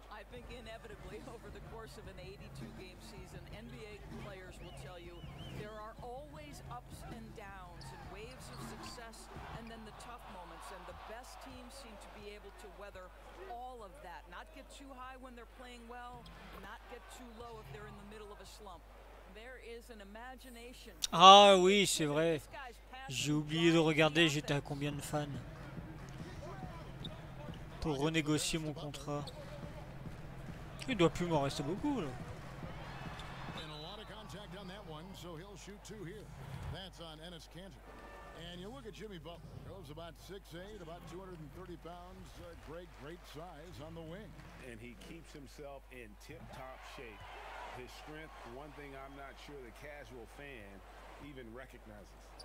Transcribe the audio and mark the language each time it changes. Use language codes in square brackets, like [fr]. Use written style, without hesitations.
[en] I think inevitably over the course of an 82-game season, NBA players will tell you there are always ups and downs and waves of success and then the tough moments, and the best teams seem to be able to weather all of that, not get too high when they're playing well, not get too low if they're in the middle of a slump. There is an imagination. [fr] Ah oui, c'est vrai. J'ai oublié de regarder, j'étais à combien de fans pour renégocier mon contrat. Il doit plus m'en rester beaucoup là. [en] And a lot of contact on that one, so he'll shoot two here. That's on Enes Kanter. And you look at Jimmy Butler. He was about 6'8", about 230 pounds. Great, great size on the wing. And he keeps himself in tip-top shape. His strength, one thing I'm not sure the casual fan even recognizes.